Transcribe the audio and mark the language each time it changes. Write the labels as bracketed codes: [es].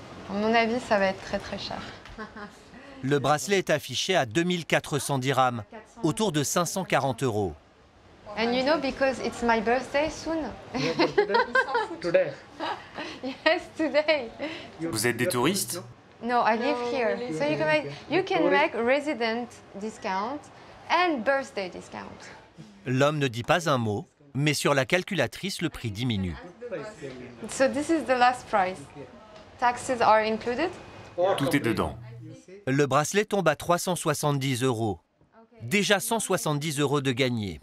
[fr] À mon avis, ça va être très très cher. Le bracelet est affiché à 2400 dirhams, autour de 540 euros. [en] And you know, because it's my birthday soon. Today. Yes, today. [fr] Vous êtes des touristes? [en] No, I live here. So you can make resident discount and birthday discount. [fr] L'homme ne dit pas un mot, mais sur la calculatrice, le prix diminue. [en] So this is the last price. Taxes are included? [fr] Tout est dedans. Le bracelet tombe à 370 euros. Déjà 170 euros de gagné.